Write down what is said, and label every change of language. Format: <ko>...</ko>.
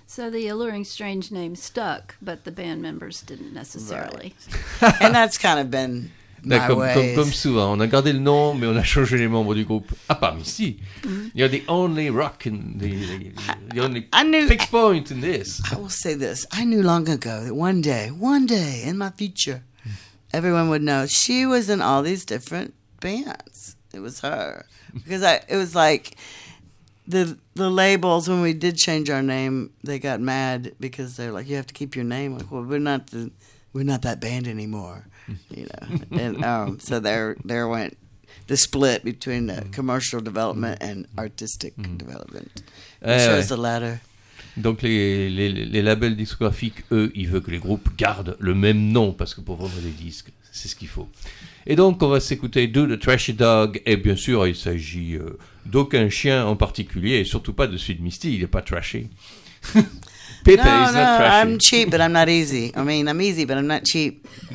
<en>So the Alluring Strange name stuck, but the band members didn't necessarily. Right. And that's kind of been my way.</en> <fr>Comme souvent, on a gardé le nom, mais on a changé les membres du groupe. À part Missy.</fr> <en>You're the only rock in the only fixed point in this. I will say this. I knew long ago that one day in my future, everyone would know she was in all these different bands. It was her. Because it was like... The labels, when we did change our name, they got mad because they're like, you have to keep your name. Like, well, we're not that band anymore, you know. And so there went the split between the commercial development and artistic development. Which was the latter.</en> <fr>Donc les labels discographiques, eux, ils veulent que les groupes gardent le même nom parce que pour vendre des disques, c'est ce qu'il faut. Et donc, on va s'écouter Do the Trashy Dog. Et bien sûr, il s'agit d'aucun chien en particulier, et surtout pas de Sweet Misty. Il n'est pas trashy.</fr> <en>Pepe is not trashy. No, no, I'm cheap, but I'm not easy. I mean, I'm easy, but I'm not cheap.</en>